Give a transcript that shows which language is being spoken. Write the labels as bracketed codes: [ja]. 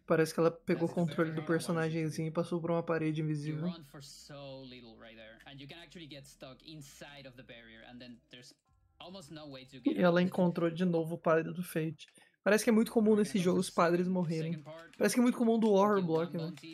[pt] Parece que ela pegou o controle do personagemzinho e passou por uma parede invisível. [en] You run for so little right there, and you can actually get stuck inside of the barrier, and then there's almost no way to get. [pt] E ela encontrou de novo o padre do Fate. Parece que é muito comum nesse jogo os padres morrerem. Parece que é muito comum do horror block, né?